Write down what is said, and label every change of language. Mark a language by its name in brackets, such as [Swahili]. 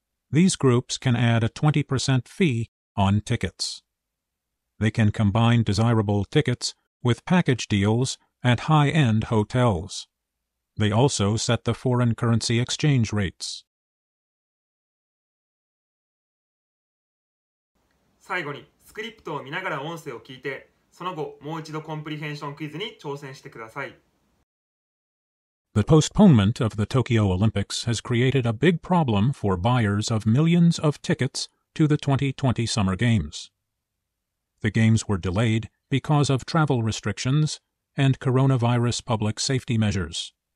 [English] These groups can add a 20% fee on tickets. They can combine desirable tickets with package deals at high-end hotels. They also set the foreign currency exchange rates. [Japanese] 最後にスクリプトを見ながら音声を聞いて、その後、もう一度コンプリヘンションクイズに挑戦してください。 [English] The postponement of the Tokyo Olympics has created a big problem for buyers of millions of tickets to the 2020 Summer Games. The games were delayed because of travel restrictions and coronavirus public safety measures.